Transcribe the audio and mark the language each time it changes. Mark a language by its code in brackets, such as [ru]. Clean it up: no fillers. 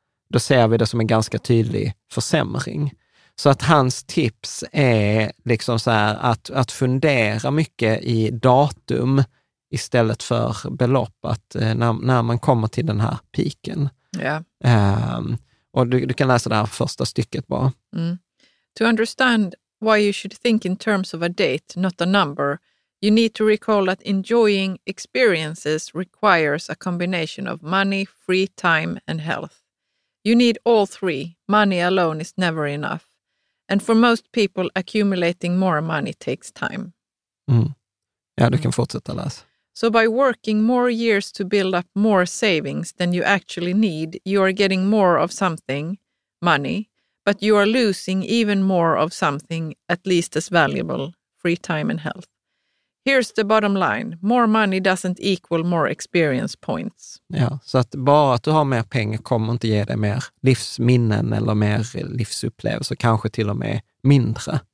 [sv] Då ser vi det som en ganska tydlig försämring. Så att hans tips är liksom så här, att fundera mycket i datum istället för belopp, att när man kommer till den här piken. [en] Yeah. [sv] Och du kan läsa det här första stycket bara. Mm. [en] To understand why you should think in terms of a date, not a number, you need to recall that enjoying experiences requires a combination of money, free time and health. You need all three. Money alone is never enough. And for most people, accumulating more money takes time. Mm. [sv] Ja, du kan fortsätta läsa. [en] So by working more years to build up more savings than you actually need, you are getting more of something, money, but you are losing even more of something, at least as valuable, free time and health. Here's the bottom line. More money doesn't equal more experience points. [sv] Ja, så att bara att du har mer pengar kommer inte ge dig mer livsminnen eller mer livsupplevelser, kanske till och med mindre.